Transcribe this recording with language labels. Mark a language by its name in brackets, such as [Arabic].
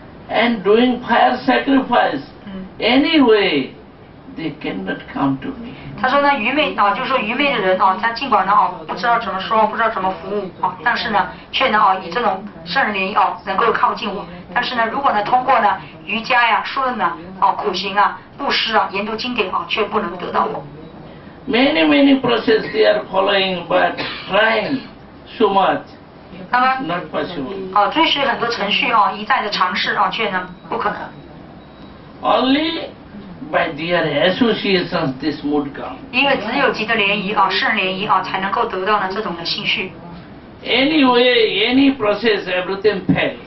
[English] And doing fire sacrifice, anyway, they cannot come to me. [Chinese] 他说呢，愚昧就是说愚昧的人他尽管呢不知道怎么说，不知道怎么服务但是呢，却能以这种圣人联谊能够靠近我。但是呢，如果呢通过呢瑜伽呀、书论呢苦行布施研读经典却不能得到我。 [English] Many many process they are following, but trying so much. Not possible. [Chinese] 追随很多程序一再的尝试却呢不可能。 [English] Only by their associations this mood comes. [Chinese] 因为只有集的联谊圣联谊才能够得到呢这种的兴趣。 [English] Anyway, any process, everything fail.